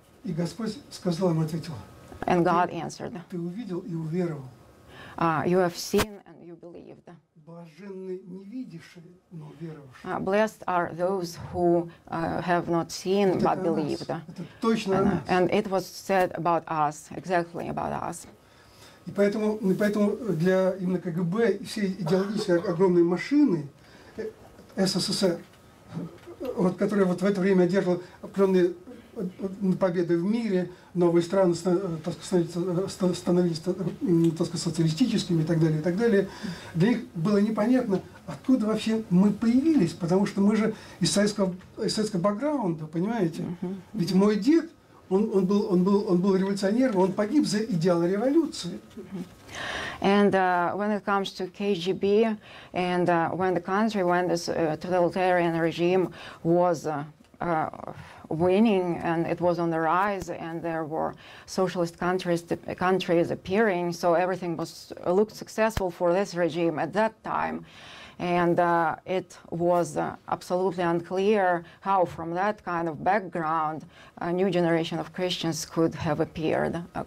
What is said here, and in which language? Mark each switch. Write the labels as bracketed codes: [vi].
[ru] И Господь сказал ему, ответил. [en] And God answered. [ru] Ты увидел и уверовал. [en] You have seen and you believed. [ru] Блаженны не видевшие, но веровавшие. [en] Blessed are those who have not seen but believed. [ru] Это точно о нас. [en] And it was said about us, exactly about us. [ru] И поэтому для именно КГБ и всей идеологической огромной машины СССР, вот, которая вот в это время одерживала определенные победы в мире, новые страны становились, так сказать, социалистическими и так далее, и так далее. Для них было непонятно, откуда вообще мы появились, потому что мы же из советского бэкграунда, понимаете? Ведь мой дед, он был революционером, он погиб за идеалы революции. [en] And when it comes to KGB, and when the country, when this totalitarian regime was winning, and it was on the rise, and there were socialist countries appearing, so everything was looked successful for this regime at that time, and it was absolutely unclear how, from that kind of background, a new generation of Christians could have appeared.